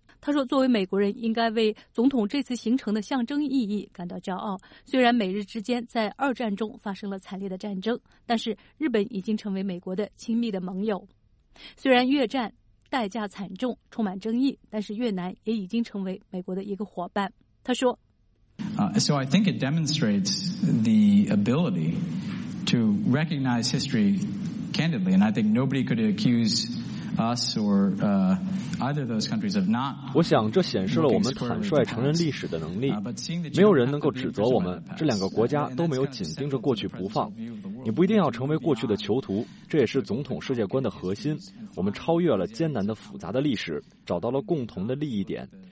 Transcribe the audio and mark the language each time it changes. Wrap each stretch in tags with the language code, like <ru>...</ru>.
<zh>他说，作为美国人应该为总统这次行程的象征意义感到骄傲，虽然美日之间在二战中发生了惨烈的战争，但是日本已经成为美国的亲密的盟友。虽然越战代价惨重，充满争议，但是越南也已经成为美国的一个伙伴。他说，</zh> <en>So I think it demonstrates the ability to recognize history candidly, and I think nobody could accuse us or either of those countries of not.</en> <zh>我想这显示了我们坦率承认历史的能力。没有人能够指责我们，这两个国家都没有紧盯着过去不放。你不一定要成为过去的囚徒，这也是总统世界观的核心。我们超越了艰难的复杂的历史，找到了共同的利益点。</zh>